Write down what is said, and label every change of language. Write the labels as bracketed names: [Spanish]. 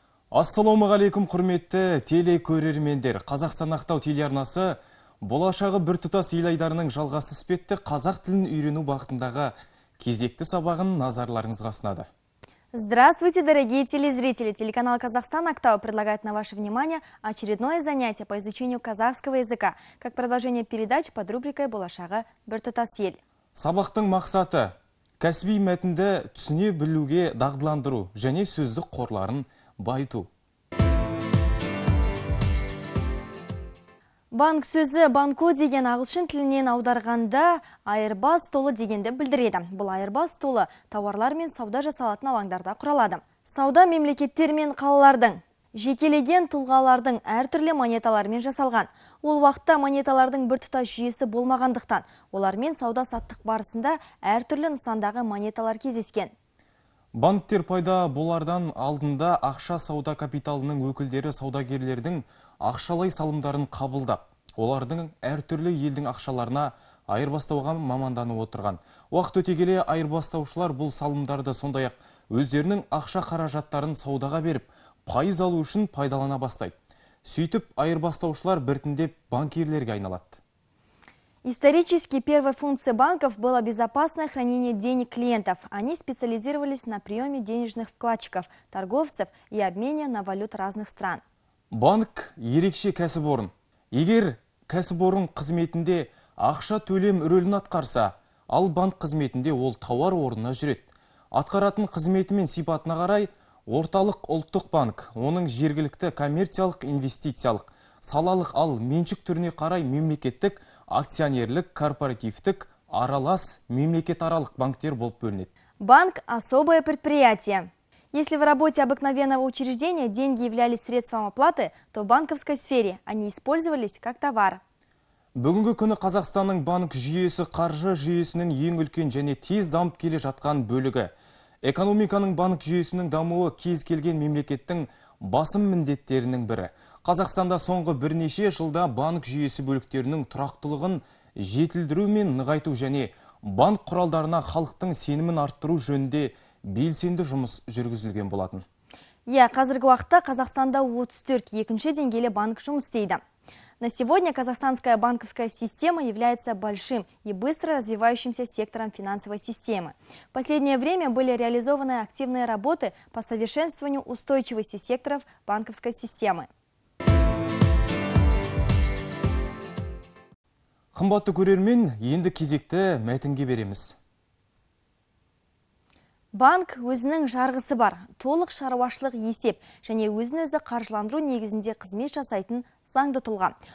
[Kazakh] Ассалаумағалейкум, құрметті телекөрермендер. Қазақстан Ақтау телеарнасы болашағы біртұтас ел айдарының жалғасы іспетті қазақ тілін үйрену бағытындағы кезекті сабағын назарларыңызға ұсынады. [Russian] Здравствуйте, дорогие телезрители! Телеканал «Казахстан Актау» предлагает на ваше внимание очередное занятие по изучению казахского языка, как продолжение передач под рубрикой «Болашағы біртұтас ел». [Kazakh] Сабақтың мақсаты – кәсіби мәтінді түсіне білуге дағдыландыру және сөздік қорларын байту. Банк сөзі «банко» деген ағылшын тілінен аударғанда «айырбас столы» дегенді білдіреді. Бұл айырбас столы тауарлар мен сауда жасалатын алаңдарда құралады. Сауда мемлекеттер мен қалалардың, жекелеген тұлғалардың әртүрлі монеталармен жасалған. Ол уақытта монеталардың бір тұтас жүйесі болмағандықтан, олармен сауда саттық барысында әртүрлі нысандағы монеталар кездескен. Банктер пайда болардан алдында ақша сауда капиталының өкілдері саудагерлердің ақшалай салымдарын қабылдап, олардың әртүрлі елдің ақшаларына айырбастауға маманданып отырған. Уақыт өте келе айырбастаушылар бұл салымдарды сондай-ақ өздерінің ақша қаражаттарын саудаға беріп, пайыз алу үшін пайдалана бастайды. Сөйтіп айырбастаушылар біртіндеп банкирлерге айналады. [Russian] Исторически первой функцией банков было безопасное хранение денег клиентов. Они специализировались на приеме денежных вкладчиков, торговцев и обмене на валют разных стран. [Kazakh] Банк ерекше кәсіпорын. Егер кәсіпорын қызметінде ақша төлем рөлін атқарса, ал банк қызметінде ол тауар орнына жүреді. Атқаратын қызметі мен сипатына қарай, орталық ұлттық банк, оның жергілікті коммерциялық инвестициялық, салалық ал меншік түріне қарай мемлекеттік, акционерлік, корпоративтік, аралас, мемлекетаралық банктер болып бөлінеді. [Russian] Банк – особое предприятие. Если в работе обыкновенного учреждения деньги являлись средством оплаты, то в банковской сфере они использовались как товар. [Kazakh] Бүгінгі күні Қазақстанның банк жүйесі қаржы жүйесінің ең үлкен және тез дамып келе жатқан бөлігі. Экономиканың банк жүйесінің дамуы кез келген мемлекеттің басым міндеттерінің бірі. Қазақстанда соңғы бірнеше жылда банк жүйесі бөліктерінің тұрақтылығын жетілдіру мен нығайту және банк құралдарына халықтың сенімін арттыру жөнінде белсенді жұмыс жүргізілген болатын. Қазіргі уақытта Қазақстанда 34 екінші деңгейлі банк жұмыс істейді. [Russian] На сегодня казахстанская банковская система является большим и быстро развивающимся сектором финансовой системы. В последнее время были реализованы активные работы по совершенствованию устойчивости секторов банковской системы. [Kazakh] Қымбатты көрермен, енді кезекті мәтінге береміз. Банк өзінің жарғысы бар, толық шаруашылық есеп және өзін-өзі қаржыландыру негізінде қызмет жасайтын заңды тұлға.